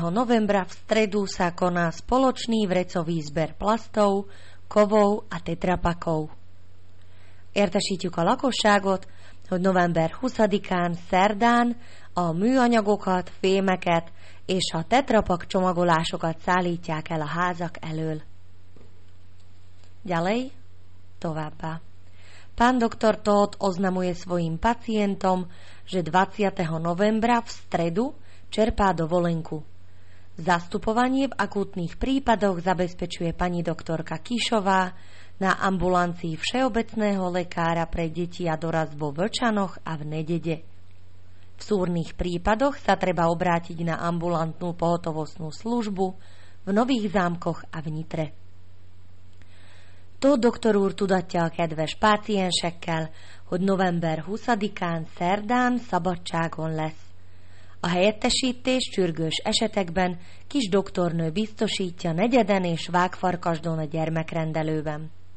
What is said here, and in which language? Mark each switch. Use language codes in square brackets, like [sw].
[sk] novembra v stredu sa koná spoločný vrecový zber plastov, kovov a tetrapakov. [hu] Értesítjük a lakosságot, hogy november 20-án szerdán a műanyagokat, fémeket és a tetrapak csomagolásokat szállítják el a házak elől. [sk] Ďalej, [hu] továbbá. [sk] Pán doktor Tóth oznamuje svojim pacientom, že 20. novembra v stredu čerpá dovolenku. Zastupovanie v akútnych prípadoch zabezpečuje pani doktorka Kišová na ambulancii všeobecného lekára pre deti a dorast vo Vlčanoch a v Nedede. V súrnych prípadoch sa treba obrátiť na ambulantnú pohotovostnú službu v Nových Zámkoch a v Nitre. [hu] To doktor úr tudatja kedves páciensekkel, hogy november 20-án szerdán szabadságon lesz. A helyettesítés sürgős esetekben kis doktornő biztosítja Negyeden és Vágfarkasdon a gyermekrendelőben.